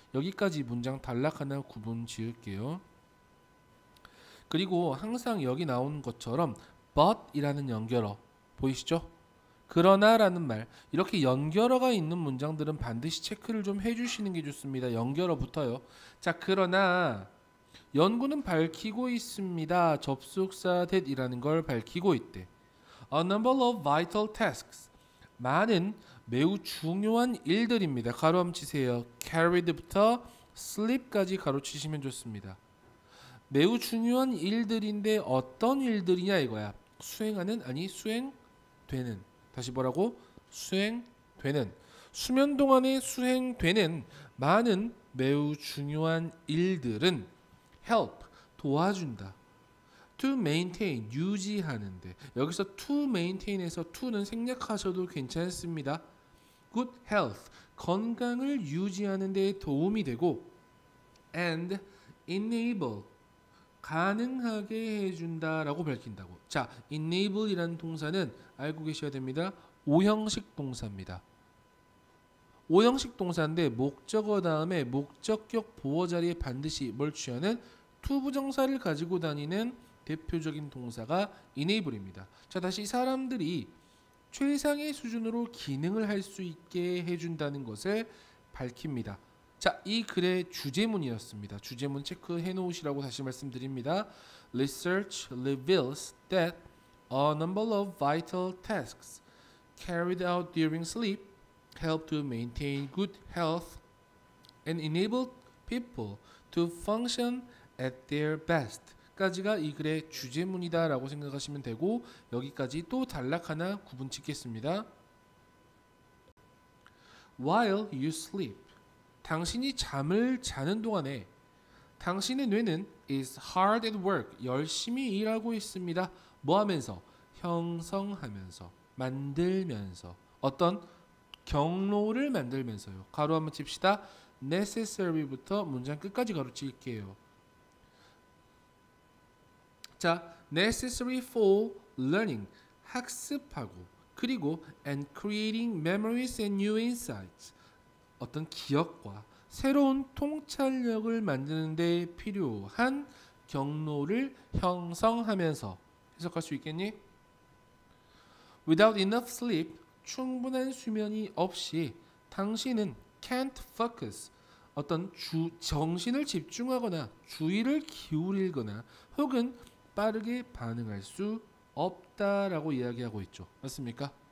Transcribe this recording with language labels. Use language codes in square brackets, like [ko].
[ko] 여기까지 문장 단락 하나 구분 지을게요. 그리고 항상 여기 나온 것처럼 but이라는 연결어 보이시죠? 그러나라는 말, 이렇게 연결어가 있는 문장들은 반드시 체크를 좀 해주시는 게 좋습니다. 연결어부터요. 자, 그러나 연구는 밝히고 있습니다. 접속사 that이라는 걸 밝히고 있대. [en] A number of vital tasks, [ko] 많은 매우 중요한 일들입니다. 가로암 치세요. carried부터 sleep까지 가로치시면 좋습니다. 매우 중요한 일들인데 어떤 일들이냐 이거야. 수행하는, 아니 수행되는. 다시 뭐라고? 수행되는. 수면 동안에 수행되는 많은 매우 중요한 일들은 help, 도와준다. [en] to maintain, [ko] 유지하는데. 여기서 to maintain에서 to는 생략하셔도 괜찮습니다. [en] good health, [ko] 건강을 유지하는 데 도움이 되고 [en] and enable, [ko] 가능하게 해준다라고 밝힌다고. 자, enable이라는 동사는 알고 계셔야 됩니다. 오형식 동사입니다. 오형식 동사인데 목적어 다음에 목적격 보어 자리에 반드시 뭘 취하는? to 부정사를 가지고 다니는 대표적인 동사가 enable입니다. 자, 다시 사람들이 최상의 수준으로 기능을 할수 있게 해준다는 것을 밝힙니다. 자, 이 글의 주제문이었습니다. 주제문 체크해 놓으시라고 다시 말씀드립니다. [en] Research reveals that a number of vital tasks carried out during sleep help to maintain good health and enable people to function at their best. [ko] 까지가 이 글의 주제문이다라고 생각하시면 되고, 여기까지 또 단락 하나 구분 짓겠습니다. [en] While you sleep. [ko] 당신이 잠을 자는 동안에 당신의 뇌는 [en] is hard at work. [ko] 열심히 일하고 있습니다. 뭐 하면서? 형성하면서, 만들면서, 어떤 경로를 만들면서요. 가로 한번 칩시다. necessary부터 문장 끝까지 가로 칠게요. [en] 자, necessary for learning. [ko] 학습하고, 그리고 [en] and creating memories and new insights. [ko] 어떤 기억과 새로운 통찰력을 만드는 데 필요한 경로를 형성하면서. 해석할 수 있겠니? [en] Without enough sleep, [ko] 충분한 수면이 없이 당신은 [en] can't focus, [ko] 어떤 정신을 집중하거나 주의를 기울이거나 혹은 빠르게 반응할 수 없다라고 이야기하고 있죠. 맞습니까?